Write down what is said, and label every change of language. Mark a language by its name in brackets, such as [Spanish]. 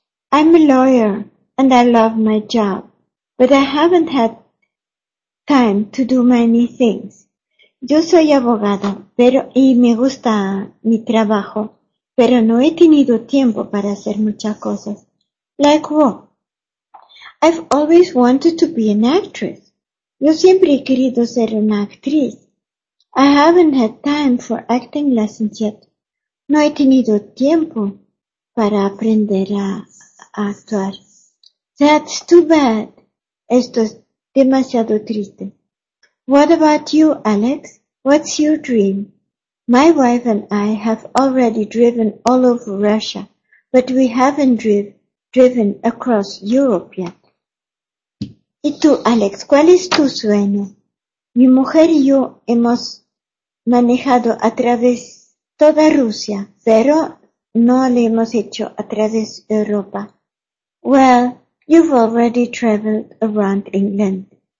[English] I'm a lawyer and I love my job, but I haven't had time to do many things. [Spanish] Yo soy abogada pero, y me gusta mi trabajo, pero no he tenido tiempo para hacer muchas cosas. [English] Like what? I've always wanted to be an actress. [Spanish] Yo siempre he querido ser una actriz. [English] I haven't had time for acting lessons yet. [Spanish] No he tenido tiempo para aprender a actuar. [English] That's too bad. [Spanish] Esto es demasiado triste. [English] What about you, Alex? What's your dream? My wife and I have already driven all over Russia, but we haven't driven across Europe yet. [Spanish] ¿Y tú, Alex, cuál es tu sueño? Mi mujer y yo hemos manejado a través toda Rusia, pero no lo hemos hecho a través de Europa. [English] Well, you've already traveled around England.